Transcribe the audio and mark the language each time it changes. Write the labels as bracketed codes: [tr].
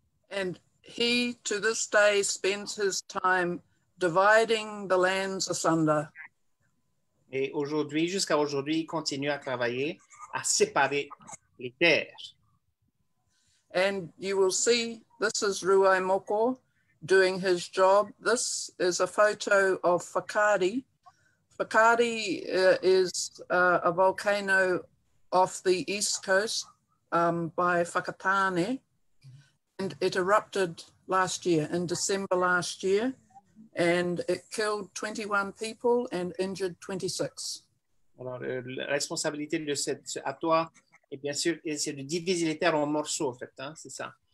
[en] And he, to this day, spends his time dividing the lands asunder. [fr] Et aujourd'hui, jusqu'à aujourd'hui, il continue à travailler, à séparer les terres. [en] And you will see, this is Ruae Moko doing his job. This is a photo of Whakaari. Whakaari is a volcano off the east coast by Whakatāne. and it erupted last year, in December last year, and it killed 21 people and injured 26. [fr] Alors, la responsabilité de cette atoua, et bien sûr, c'est de diviser les terres en morceaux, en fait, hein, c'est ça.